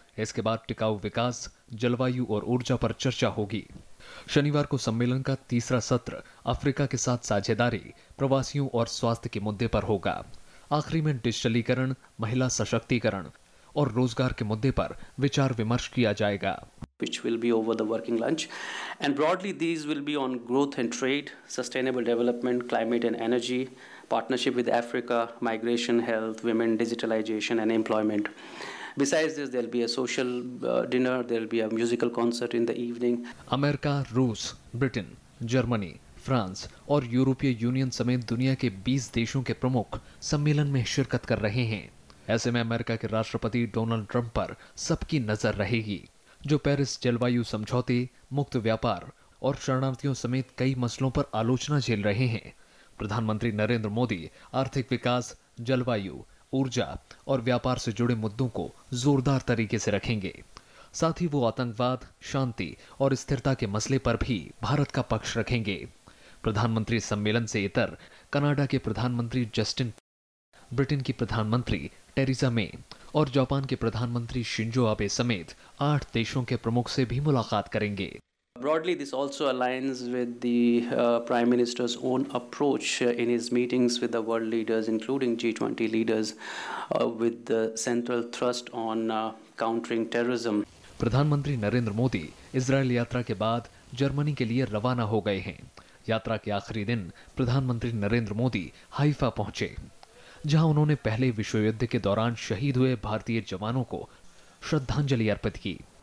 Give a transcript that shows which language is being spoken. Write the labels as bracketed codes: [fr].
[hi] इसके बाद टिकाऊ विकास, जलवायु और ऊर्जा पर चर्चा होगी। शनिवार को सम्मेलन का तीसरा सत्र अफ्रीका के साथ साझेदारी, प्रवासियों और स्वास्थ्य के मुद्दे पर होगा। आखिरी में डिजिटलीकरण, महिला सशक्तिकरण और रोजगार के मुद्दे पर विचार विमर्श किया जाएगा। [en] Which will be over the working lunch, and broadly these will be on growth and trade, sustainable development, climate and energy, partnership with Africa, migration, health, women, digitalization and employment. Besides this, there'll be a social dinner, there'll be a musical concert in the evening. [hi] America, रूस, Britain, Germany, France और यूरोपीय union समेत दुनिया के 20 देशों के प्रमुख सम्मेलन में शिरकत कर रहे हैं। ऐसे में अमेरिका के राष्ट्रपति डोनाल्ड ट्रंप पर सबकी नजर रहेगी, जो पेरिस जलवायु समझौते, मुक्त व्यापार और शरणार्थियों समेत कई मसलों पर आलोचना झेल रहे हैं। प्रधानमंत्री नरेंद्र मोदी आर्थिक विकास, जलवायु, ऊर्जा और व्यापार से जुड़े मुद्दों को जोरदार तरीके से रखेंगे। साथ ही वो आतंकवाद, शांति और स्थिरता के मसले पर भी भारत का पक्ष रखेंगे। प्रधानमंत्री सम्मेलन से इतर कनाडा के प्रधानमंत्री जस्टिन, ब्रिटेन की प्रधानमंत्री टेरिजा मे और जापान के प्रधानमंत्री शिंजो आबे समेत 8 देशों के प्रमुख से भी मुलाकात करेंगे। [en] Broadly, this also aligns with the Prime Minister's own approach in his meetings with the world leaders, including G20 leaders, with the central thrust on countering terrorism. [hi] प्रधानमंत्री नरेंद्र मोदी इजराइल यात्रा के बाद जर्मनी के लिए रवाना हो गए हैं। यात्रा के आखिरी दिन प्रधानमंत्री नरेंद्र मोदी हाइफा पहुंचे। जहां उन्होंने पहले विश्व युद्ध के दौरान शहीद हुए भारतीय जवानों को श्रद्धांजलि अर्पित की।